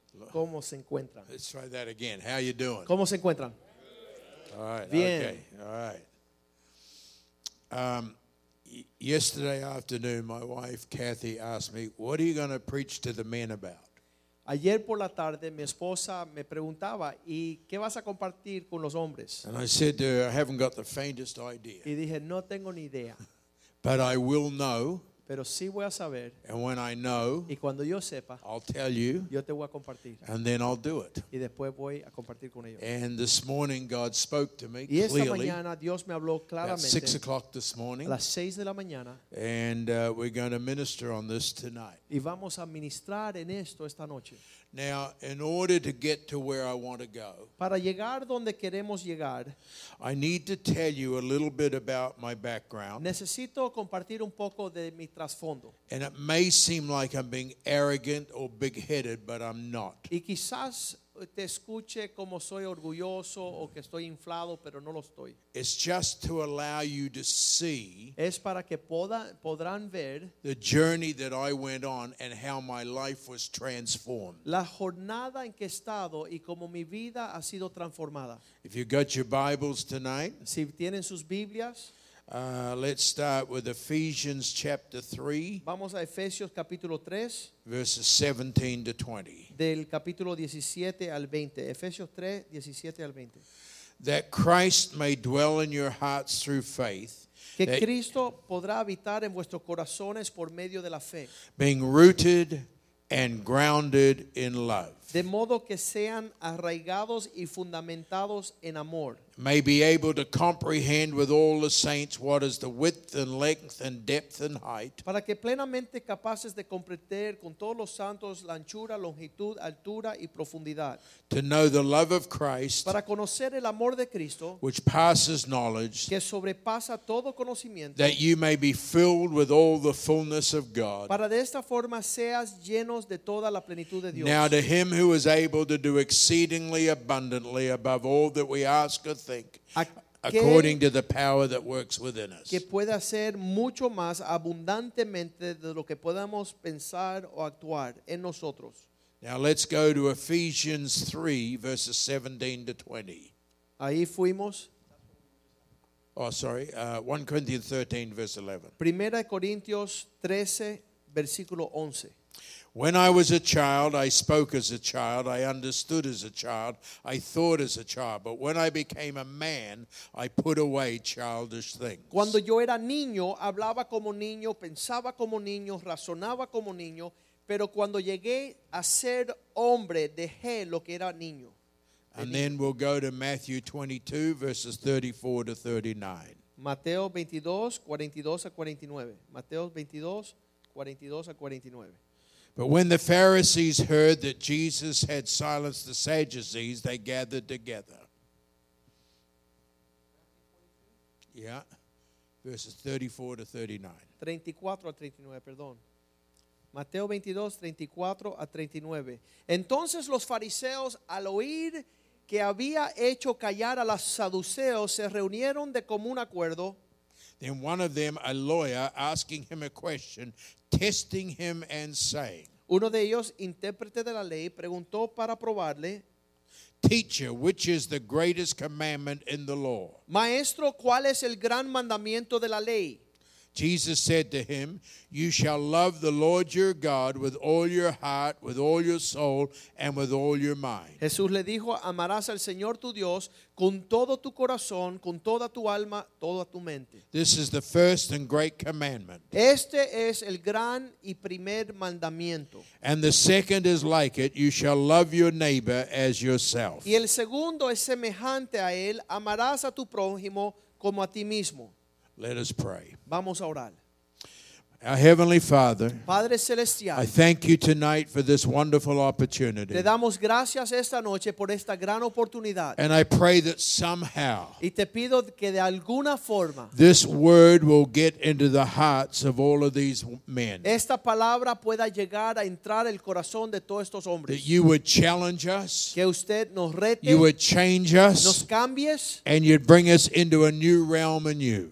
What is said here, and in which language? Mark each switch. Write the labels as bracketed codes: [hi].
[es] ¿Cómo se encuentran? [en] Let's try that again. How you doing? [es] ¿Cómo se encuentran? [en] All right. [es] Bien. [en] Okay. All right. Yesterday afternoon, my wife Kathy asked me, "What are you going to preach to the men about?" [es] Ayer por la tarde, mi esposa me preguntaba, "¿Y qué vas a compartir con los hombres?" [en] And I said to her, "I haven't got the faintest idea." [es] Y dije, "No tengo ni idea." [en] But I will know. [es] Pero sí voy a saber, [en] and when I know, [es] y cuando yo sepa, [en] I'll tell you, [es] yo te voy a compartir, [en] and then I'll do it. [es] Y después voy a compartir con ellos. [en] And this morning God spoke to me [es] y esta [en] clearly, [es] mañana Dios me habló claramente, [en] at 6 o'clock this morning, [es] a las 6 de la mañana, [en] and we're going to minister on this tonight. [es] Y vamos a ministrar en esto esta noche. [en] Now, in order to get to where I want to go, [es] para llegar donde queremos llegar, [en] I need to tell you a little bit about my background. [es] Necesito compartir un poco de mi trasfondo. [en] And it may seem like I'm being arrogant or big-headed, but I'm not. [es] Y quizás te escuche como soy orgulloso o que estoy inflado, pero no lo estoy. [en] It's just to allow you to see. [es] Es para que podrán ver [en] the journey that I went on and how my life was transformed. [es] La jornada en que he estado y cómo mi vida ha sido transformada. [en] If you got your Bibles tonight, [es] si tienen sus Biblias, [en] let's start with Ephesians chapter 3. [es] Vamos a Efesios capítulo 3. [en] Verses 17 to 20. [es] Del capítulo 17 al 20. Efesios 3, 17 al 20. [en] That Christ may dwell in your hearts through faith. [es] Que Cristo podrá habitar en vuestros corazones por medio de la fe. [en] Being rooted and grounded in love. [es] De modo que sean arraigados y fundamentados en amor. [en] May be able to comprehend with all the saints what is the width and length and depth and height. [es] Para que plenamente capaces de comprender con todos los santos la anchura, longitud, altura y profundidad. [en] To know the love of Christ. [es] Para conocer el amor de Cristo. [en] Which passes knowledge. [es] Que sobrepasa todo conocimiento. [en] That you may be filled with all the fullness of God. [es] Para de esta forma seas llenos de toda la plenitud de Dios. [en] Now to him who is able to do exceedingly abundantly above all that we ask or think, according to the power that works within us. [es] Que pueda hacer mucho más abundantemente de lo que podamos pensar o actuar en nosotros. [en] Now let's go to Ephesians 3, verses 17 to 20. [es] Ahí fuimos. [en] Oh, sorry. 1 Corinthians 13, verse 11. [es] Primera Corintios 13, versículo 11. [en] When I was a child, I spoke as a child, I understood as a child, I thought as a child. But when I became a man, I put away childish things. [es] Cuando yo era niño, hablaba como niño, pensaba como niño, razonaba como niño. Pero cuando llegué a ser hombre, dejé lo que era niño. [en] And then we'll go to Matthew 22, verses 34 to 39. [es] Mateo 22, 42 a 49. Mateo 22, 42 a 49. [en] But when the Pharisees heard that Jesus had silenced the Sadducees, they gathered together. Yeah. Verses 34 to 39. [es] 34 a 39, perdón. Mateo 22, 34 a 39. Entonces los fariseos, al oír que había hecho callar a los saduceos, se reunieron de común acuerdo. [en] Then one of them, a lawyer, asking him a question, testing him and saying, [es] uno de ellos, intérprete de la ley, preguntó para probarle, [en] Teacher, which is the greatest commandment in the law? [es] Maestro, ¿cuál es el gran mandamiento de la ley? [en] Jesus said to him, You shall love the Lord your God with all your heart, with all your soul, and with all your mind. [es] Jesús le dijo, Amarás al Señor tu Dios con todo tu corazón, con toda tu alma, toda tu mente. [en] This is the first and great commandment. [es] Este es el gran y primer mandamiento. [en] And the second is like it, You shall love your neighbor as yourself. [es] Y el segundo es semejante a él, Amarás a tu prójimo como a ti mismo. [en] Let us pray. [es] Vamos a orar. [en] Our Heavenly Father, [es] Padre Celestial, [en] I thank you tonight for this wonderful opportunity. [es] Te damos gracias esta noche por esta gran oportunidad. [en] And I pray that somehow, [es] y te pido que de alguna forma, [en] this word will get into the hearts of all of these men. [es] Esta palabra pueda llegar a entrar el corazón de todos estos hombres. [en] That you would challenge us. [es] Que usted nos rete. [en] You would change us. [es] Nos cambies. [en] And you'd bring us into a new realm anew.